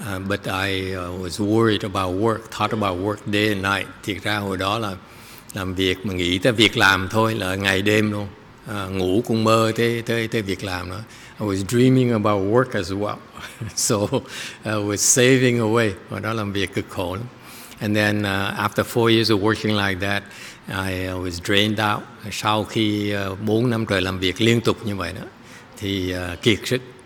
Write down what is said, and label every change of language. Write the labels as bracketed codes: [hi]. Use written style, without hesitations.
[en] But I was worried about work, thought about work day and night. [vi] Thiệt ra hồi đó là làm việc mà nghĩ tới việc làm thôi là ngày đêm luôn. Ngủ cũng mơ tới việc làm đó. [en] I was dreaming about work as well. So I was saving away. [vi] Hồi đó làm việc cực khổ lắm. [en] And then after 4 years of working like that, I was drained out. [vi] Sau khi 4 năm trời làm việc liên tục như vậy đó, thì kiệt sức.